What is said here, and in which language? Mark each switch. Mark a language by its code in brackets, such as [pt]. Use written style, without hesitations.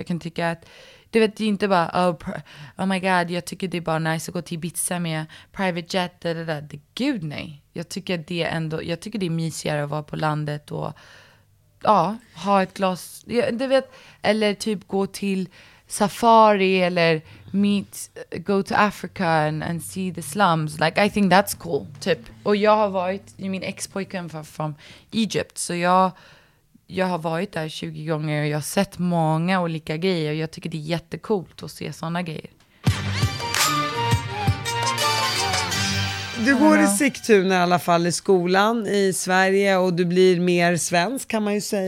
[sv] Jag kan tycka att, du vet, det är inte bara, oh my god, jag tycker det är bara nice att gå till Ibiza med private jet. Det, gud nej. Jag tycker att det är ändå, jag tycker det är mysigare att vara på landet och ha ett glas, du vet, eller typ gå till [en] safari eller meet, go to Africa and see the slums. Like, I think that's cool, typ. [sv] Och jag har varit, min ex-pojken var från Egypt, så jag har varit där 20 gånger och jag har sett många olika grejer och jag tycker det är jättekult att se såna grejer. Du går i Sigtuna i alla fall i skolan i Sverige och du blir mer svensk kan man ju säga.